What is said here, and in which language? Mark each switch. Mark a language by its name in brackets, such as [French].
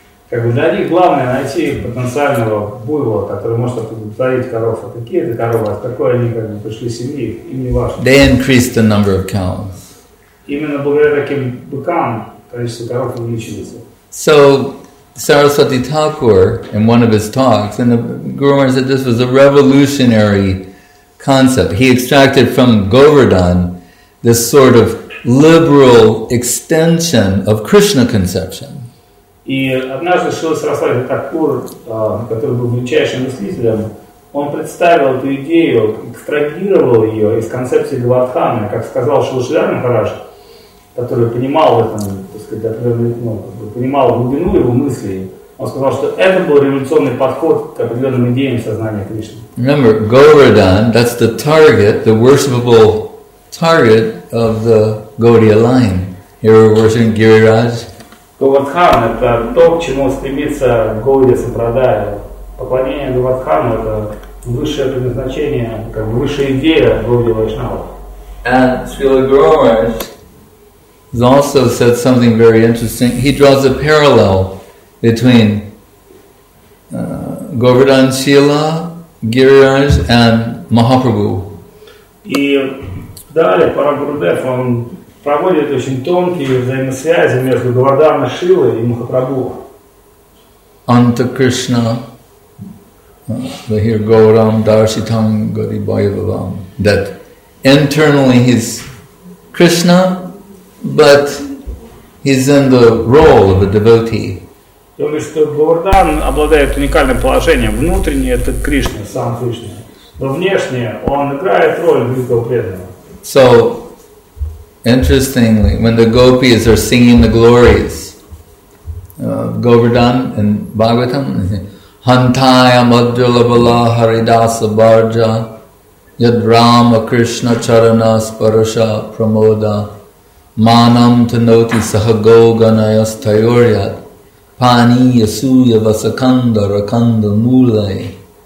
[Russian] Как бы для них главное найти потенциального буйвола, который может оплодотворить коров. А какие это коровы, а какой они как бы пришли семьи, им не важно. [English] They increase the number of cows. [Russian] Именно благодаря таким быкам количество коров увеличивается. [English] So, Saraswati Thakur, in one of his talks, and the Guru Maharaj said this was a revolutionary concept. He extracted from Govardhan this sort of liberal extension of Krishna conception. [Russian] И однажды Шрила Сарасвати Такур, который был величайшим мыслителем, он представил эту идею, экстрагировал ее из концепции Говардхана, как сказал Шрила Шридхар Махарадж, который понимал в этом, так сказать, понимал глубину его мыслей. Он сказал, что это был революционный подход к определенным идеям сознания Кришны. [English] Remember, Govardhan, that's the target, the worshipable target of the Gaudiya line. Here we're worshiping Giriraj. [Russian] Govardhan — это то, к чему стремится Gaudiya Sampradaya. Поклонение Govardhanу — это высшее предназначение, как бы высшая идея Gaudiya Vaishnava. [English] And Srila Guru Maharaj also said something very interesting. He draws a parallel between Govardhan Shila, Giriraj, and Mahaprabhu. [Russian] И далее Парагурудев, он проводит очень тонкие взаимосвязи между Говардхана Шилой и Махапрабху. [Sanskrit] Antakrishna, Vahir Gauram, Darshitam, Garibayavavam. [English] That internally he's Krishna, but he's in the role of a devotee. [Russian] То есть Говардхан обладает уникальным положением. Внутренне это Кришна, сам Кришна. Но внешне он играет роль великого преданного. [English] So, interestingly, when the gopis are singing the glories of Govardhan and Bhagavatam, [Sanskrit] Hantaya Madhulabala Haridasa Bharja, Yad Rama Krishna Charana Sparasha Pramoda Manam Tanoti Sahago Ganayas Tayoryat Pani Yasuya Vasakanda Rakanda Mulai.